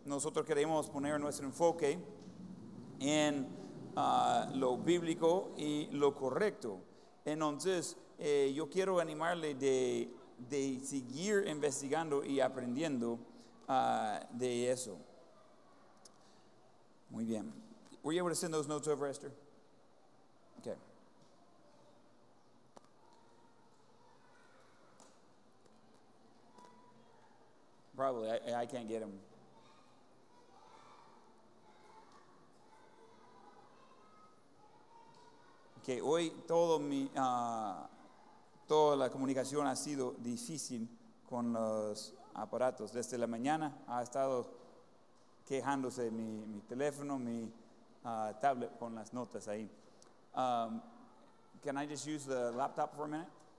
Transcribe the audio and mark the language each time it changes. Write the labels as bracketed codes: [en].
[es] Nosotros queremos poner nuestro enfoque en lo bíblico y lo correcto. Entonces, yo quiero animarle de seguir investigando y aprendiendo de eso. Muy bien. [en] ¿Were you able to send those notes over, Esther? Okay. Probably, I can't get them. [es] Okay, hoy todo mi... toda la comunicación ha sido difícil con los aparatos. Desde la mañana ha estado quejándose mi teléfono, mi tablet con las notas ahí. [en] Can I just use the laptop for a minute?